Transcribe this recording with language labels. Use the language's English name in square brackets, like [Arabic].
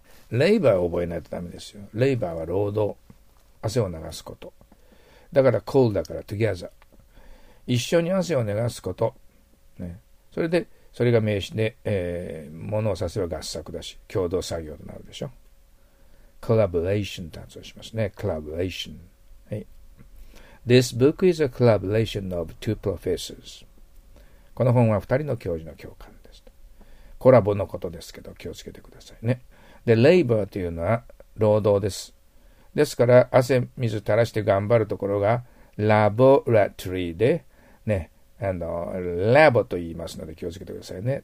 [Japanese] レイバーを覚えないとダメですよ。レイバーは労働、汗を流すこと。だから Coll だから Together。一緒に汗を流すこと。ね、それで、それが名詞で、物を指せば合作だし、共同作業となるでしょ。 Collaboration と発音しますね。Collaboration。 はい。 [English] This book is a collaboration of two professors. [Japanese] この本は二人の教授の共感です。コラボのことですけど気をつけてくださいね。で、レイバーというのは労働です。ですから汗水垂らして頑張るところがラボラトリーで、ね、あの、ラボと言いますので気をつけてくださいね。